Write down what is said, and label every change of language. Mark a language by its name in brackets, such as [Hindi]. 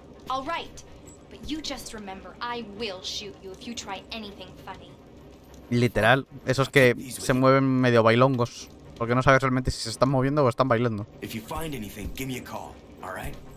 [English] All right, but you just remember, I will shoot you if you try anything funny. [Spanish] Literal, esos que se mueven medio bailongos, porque no sabes realmente si se están moviendo o están bailando. [English] If you find anything, give me a call, all right?